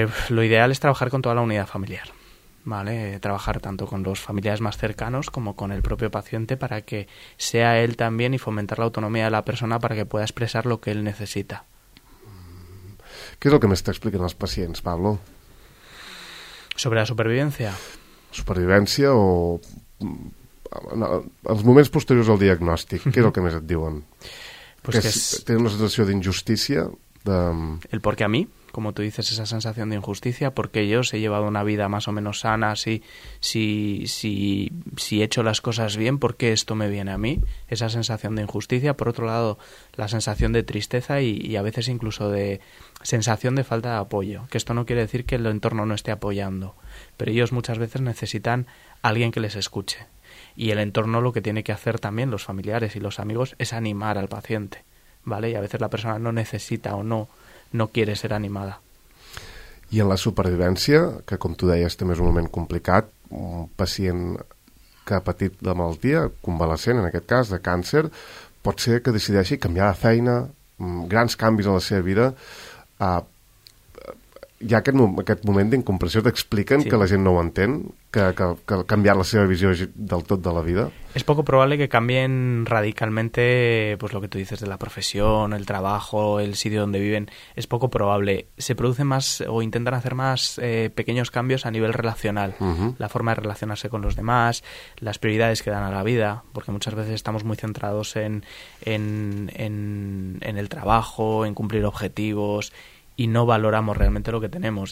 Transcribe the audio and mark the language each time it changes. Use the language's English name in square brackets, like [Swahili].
[Spanish] Lo ideal es trabajar con toda la unidad familiar. Vale, trabajar tanto con los familiares más cercanos como con el propio paciente para que sea él también y fomentar la autonomía de la persona para que pueda expresar lo que él necesita. ¿Qué es lo que me está explicando los pacientes, Pablo? ¿Sobre la supervivencia? ¿Supervivencia o...? [Catalan] No, els moments posteriors al diagnòstic, [Spanish] ¿qué es lo que [Catalan] més et diuen? [Spanish] Pues que es... Tienen una sensación de injusticia, de... ¿El por qué a mí? Como tú dices, esa sensación de injusticia, porque yo he llevado una vida más o menos sana, si he hecho las cosas bien, ¿por qué esto me viene a mí? Esa sensación de injusticia. Por otro lado, la sensación de tristeza y a veces incluso de sensación de falta de apoyo, que esto no quiere decir que el entorno no esté apoyando, pero ellos muchas veces necesitan a alguien que les escuche. Y el entorno lo que tiene que hacer también, los familiares y los amigos, es animar al paciente, ¿vale? Y a veces la persona no necesita o no quiere ser animada. [Catalan] I en la supervivència, que com tu deies també és un moment complicat, un pacient que ha patit de malaltia, convalescent en aquest cas, de càncer, pot ser que decideixi canviar de feina, grans canvis en la seva vida. Hi ha aquest moment d'incompressió, t'expliquen sí. Que la gent no ho entén, que ha canviat la seva visió del tot de la vida. [Spanish] Es poco probable que cambien radicalmente, pues lo que tú dices de la profesión, el trabajo, el sitio donde viven. Es poco probable. Se producen más o intentan hacer más pequeños cambios a nivel relacional. La forma de relacionarse con los demás, las prioridades que dan a la vida, porque muchas veces estamos muy centrados en el trabajo, en cumplir objetivos, y no valoramos realmente lo que tenemos.